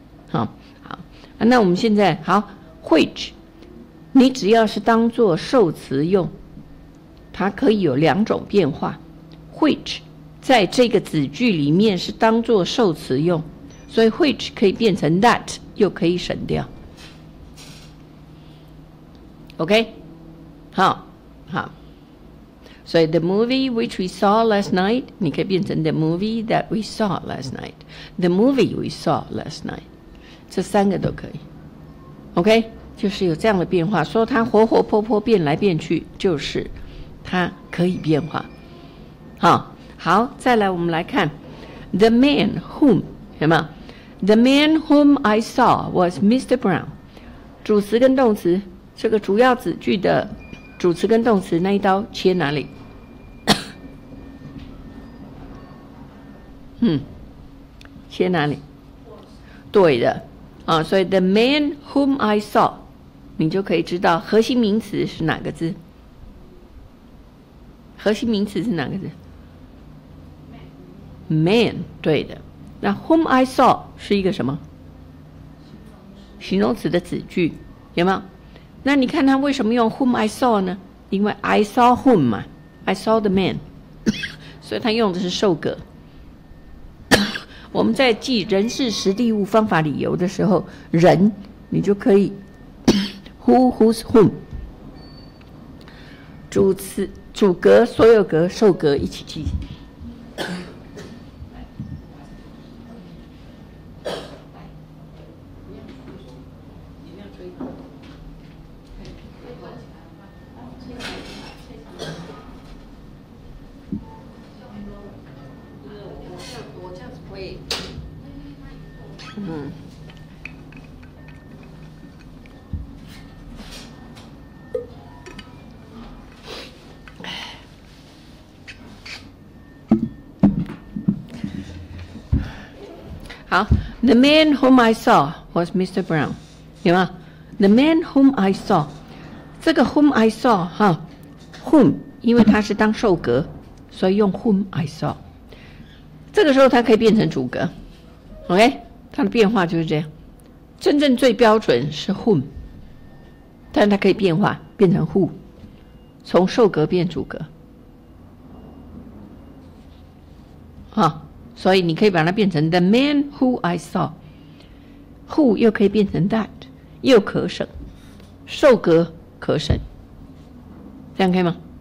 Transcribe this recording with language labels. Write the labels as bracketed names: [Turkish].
[Chinese] 好，那我们现在好 which， 你只要是当作受词用，它可以有两种变化。 which 在这个子句里面是当作受词用，所以 which 可以变成 that， 又可以省掉。 [English] OK， 好， [Chinese] 所以 [English] the movie which we saw last night， [Chinese] 你可以变成 [English] the movie that we saw last night， the movie we saw last night， [Chinese] 这三个都可以。 OK， 就是有这样的变化，说它活活泼泼变来变去，就是它可以变化。好，再来我们来看 the man whom， 有没有？ [English] The man whom I saw was Mr. Brown。 [Chinese] 主词跟动词，这个主要子句的主词跟动词那一刀切哪里？切哪里？对的啊，所以 [English] the man whom I saw， [Chinese] 你就可以知道核心名词是哪个字。核心名词是哪个字？ man， 对的。那 whom I saw 是一个什么形容词的子句，有没有？那你看他为什么用 whom I saw 呢？因为 I saw whom 嘛， [English] I saw the man， [Chinese] 所以他用的是受格。我们在记人事实地物方法理由的时候，人你就可以who whose whom 主词主格所有格受格一起记。 [English] The man whom I saw was Mr. Brown， [Chinese] 有吗 [English] ？The man whom I saw， 这个 whom I saw 哈 ，whom， [Chinese] 因为它是当受格，所以用 [English] whom I saw。 [Chinese] 这个时候它可以变成主格 ，OK， 它的变化就是这样。真正最标准是 whom， 但它可以变化变成 who， 从受格变主格。啊。所以你可以把它变成 [English] the man who I saw， [Chinese] who 又可以变成 that， 又可省受格可省，这样可以吗？